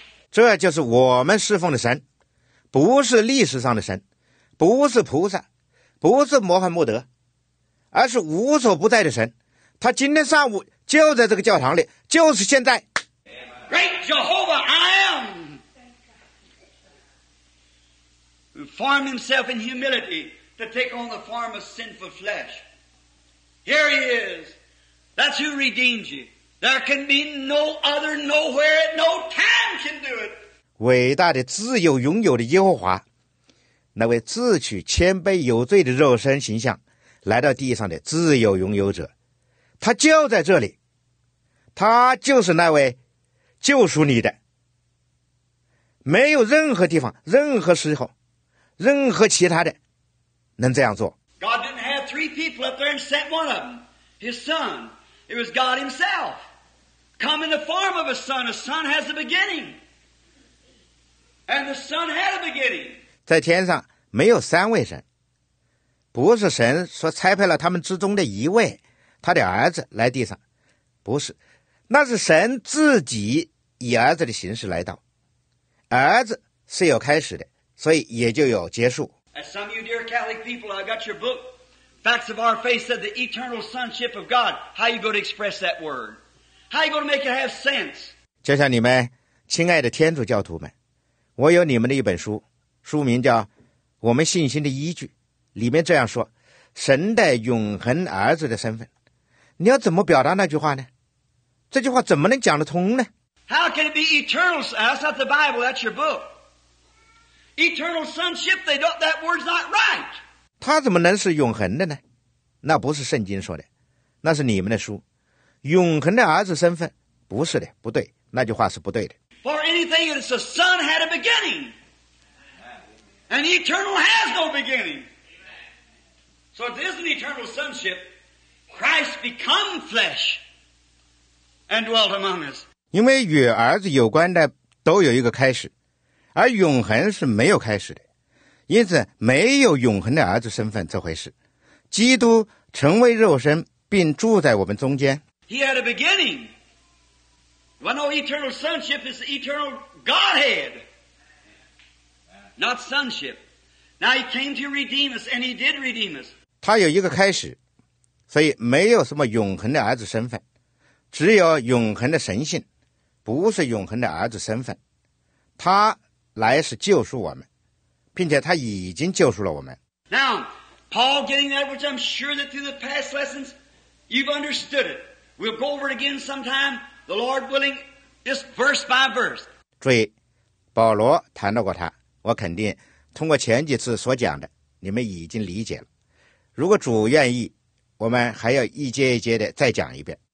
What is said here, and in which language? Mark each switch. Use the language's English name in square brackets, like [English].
[Chinese] 这就是我们侍奉的神，不是历史上的神，不是菩萨，不是摩罕默德，而是无所不在的神。他今天上午就在这个教堂里，就是现在。 [English] Amen. Great Jehovah, I am. Who formed himself in humility to take on the form of sinful flesh. Here he is. That's who redeemed you. There can be no other nowhere at no time can do it. [Chinese] 伟大的自由拥有的耶和华，那位自取谦卑有罪的肉身形象来到地上的自由拥有者，他就在这里，他就是那位救赎你的，没有任何地方、任何时候、任何其他的能这样做。 [English] God didn't have three people up there and sent one of them, his son. It was God himself come in the form of a son. A son has a beginning, and the son had a beginning. [Chinese] 在天上没有三位神，不是神说差派了他们之中的一位他的儿子来地上，不是，那是神自己以儿子的形式来到。儿子是有开始的，所以也就有结束。 [English] As some of you dear Catholic people, I've got your book, Facts of Our Faith, said the eternal sonship of God. How are you going to express that word? How are you going to make it have sense? [Chinese] 就像你们亲爱的天主教徒们，我有你们的一本书，书名叫《我们信心的依据》，里面这样说，神的永恒儿子的身份，你要怎么表达那句话呢？这句话怎么能讲得通呢？ [English] How can it be eternal? That's not the Bible, that's your book. Eternal sonship, they don't, that word's not right. [Chinese] 他怎么能是永恒的呢？那不是圣经说的，那是你们的书。永恒的儿子身份，不是的，不对，那句话是不对的。 [English] For anything that is a son had a beginning, and eternal has no beginning. So if there's an eternal sonship, Christ become flesh and dwelt among us. [Chinese] 因为与儿子有关的都有一个开始，而永恒是没有开始的，因此没有永恒的儿子身份这回事。基督成为肉身并住在我们中间。 [English] He had a beginning. Well, no, eternal sonship is the eternal Godhead, not sonship. Now, he came to redeem us, and he did redeem us. [Chinese] 他有一个开始，所以没有什么永恒的儿子身份，只有永恒的神性，不是永恒的儿子身份。他来是救赎我们，并且他已经救赎了我们。 [English] Now, Paul getting that, which I'm sure that through the past lessons, you've understood it. We'll go over it again sometime. The Lord willing, just verse by verse. [Chinese] 注意，保罗谈到过他，我肯定通过前几次所讲的，你们已经理解了。如果主愿意，我们还要一节一节的再讲一遍。